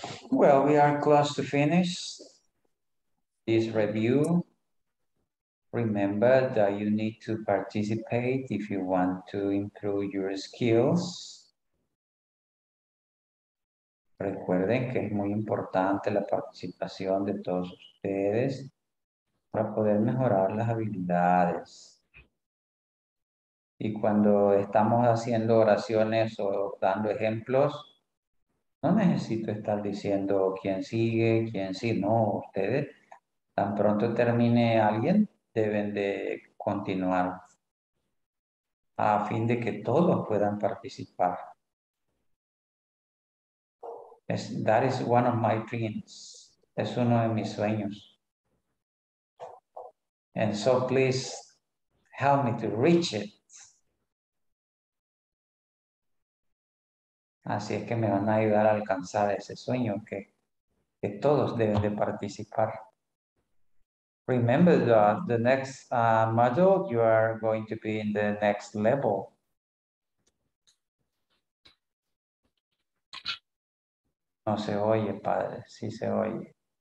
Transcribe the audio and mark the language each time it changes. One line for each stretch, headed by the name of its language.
English: Well, we are close to finish this review. Remember that you need to participate if you want to improve your skills.
Spanish: Recuerden que es muy importante la participación de todos ustedes para poder mejorar las habilidades. Y cuando estamos haciendo oraciones o dando ejemplos, no necesito estar diciendo quién sigue, no, ustedes, tan pronto termine alguien, deben de continuar a fin de que todos puedan participar.
English: That is one of my dreams.
Spanish: Es uno de mis sueños.
English: And so please help me to reach it.
Spanish: Así es que me van a ayudar a alcanzar ese sueño que todos deben de participar.
English: remember that the next module, you are going to be in the next level.
Spanish: No se oye, padre. Sí se oye.